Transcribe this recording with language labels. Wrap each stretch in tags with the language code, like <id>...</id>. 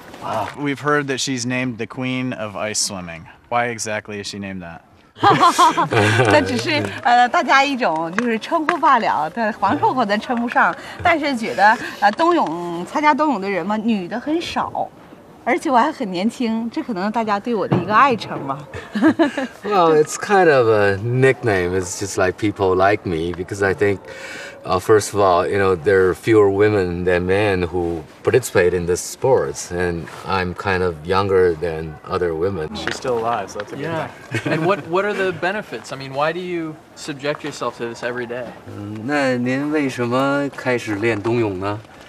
<en>Wow, we've heard that she's named the queen of ice swimming. Why exactly is she named that?</en> <zh>那只是大家一种就是称呼罢了，但皇后可能称不上。但是觉得冬泳参加冬泳的人嘛，女的很少，而且我还很年轻，这可能大家对我的一个爱称吧。Well,</zh> <en>it's kind of a nickname. It's just like people like me because I think, first of all, you know, there are fewer women than men who participate in this sport, and I'm kind of younger than other women. She's still alive, so that's a good thing. And what are the benefits? I mean, why do you subject yourself to this every day?</en> <zh>那您为什么开始练冬泳呢?</zh>